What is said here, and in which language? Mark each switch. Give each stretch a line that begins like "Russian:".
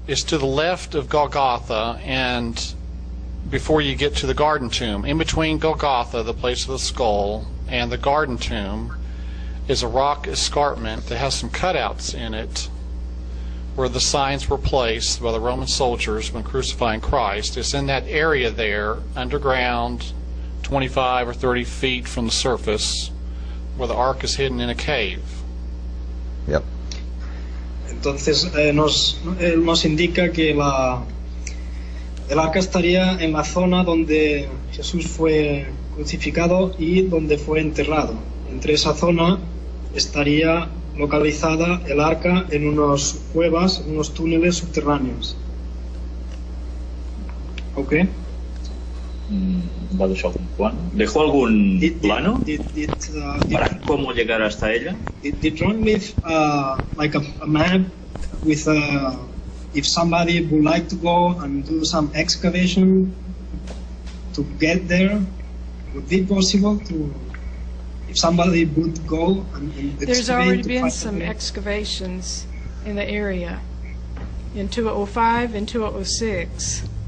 English: It's to the left of Golgotha, and before you get to the Garden Tomb, in between Golgotha, the place of the skull, and the Garden Tomb, is a rock escarpment that has some cutouts in it, where the signs were placed by the Roman soldiers when crucifying Christ. It's in that area there, underground, 25 or 30 feet from the surface, where the Ark is hidden in a cave. Yep.
Spanish: Entonces nos él nos indica que la el arca estaría en la zona donde Jesús fue crucificado y donde fue enterrado. Entre esa zona estaría localizada el arca en unas cuevas, en unos túneles subterráneos. ¿Ok? ¿Va a dejar algún plano? ¿Dejó algún plano para cómo llegar hasta ella?
English: Did you leave like a map with a if somebody would like to go and do some excavation to get there? Would it be possible to if somebody would go and excavate? There's already been some excavations in the area in 2005 and 2006.